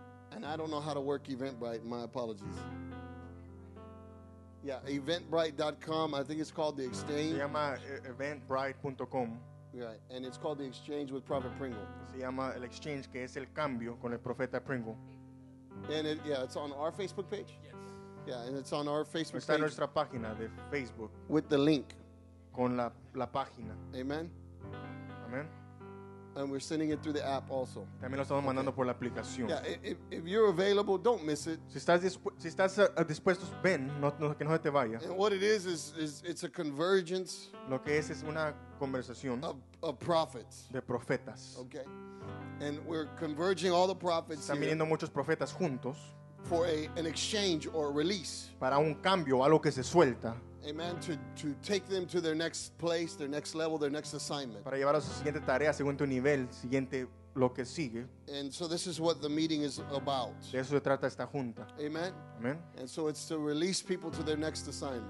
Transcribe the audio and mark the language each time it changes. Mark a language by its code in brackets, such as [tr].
[en] And I don't know how to work Eventbrite. My apologies. Yeah, eventbrite.com. I think it's called the Exchange. [es] Se llama eventbrite.com. [en] Right, and it's called the Exchange with Prophet Pringle. [es] Se llama el Exchange, que es el cambio con el Profeta Pringle. [en] And it's on our Facebook page? Yes. Yeah, and it's on our Facebook [es] está Está nuestra página de Facebook. [en] With the link. [es] Con la página. [en] Amen. Amen. And we're sending it through the app also. [es] También lo estamos mandando por la aplicación. [en] Yeah, if you're available, don't miss it. [es] Si estás dispuesto, ven, que no te vaya. [en] And what it is it's a convergence. [es] Lo que es una conversación. [en] Of prophets. [es] De profetas. [en] Okay. And we're converging all the prophets. [es] Están viniendo muchos profetas juntos. [en] For an exchange or a release. [es] Para un cambio, algo que se suelta. [en] Amen. To take them to their next place, their next level, their next assignment. [es] Para llevarlos a su siguiente tarea, según tu nivel, siguiente lo que sigue. [en] And so this is what the meeting is about. [es] De eso se trata esta junta. [en] Amen. Amen. And so it's to release people to their next assignment.